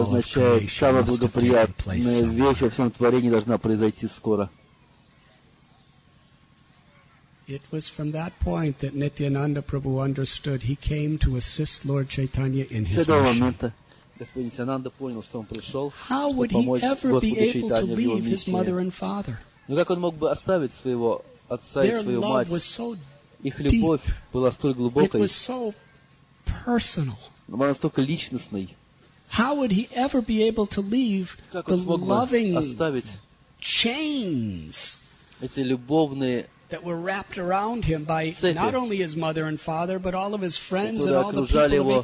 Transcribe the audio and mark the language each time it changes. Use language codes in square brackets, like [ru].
[ru] означает, самая благоприятная вещь во всем творении должна произойти скоро. [en] It was from that point that Nityananda Prabhu understood he came to assist Lord Chaitanya in his mission. How would he ever be able to leave his mother and father? [ru] Но как он мог бы оставить своего отца и свою мать? Их любовь была столь глубокой, но была настолько личностной. [en] How would he ever be able to leave the loving chains that were wrapped around him by not only his mother and father, but all of his friends and all the people of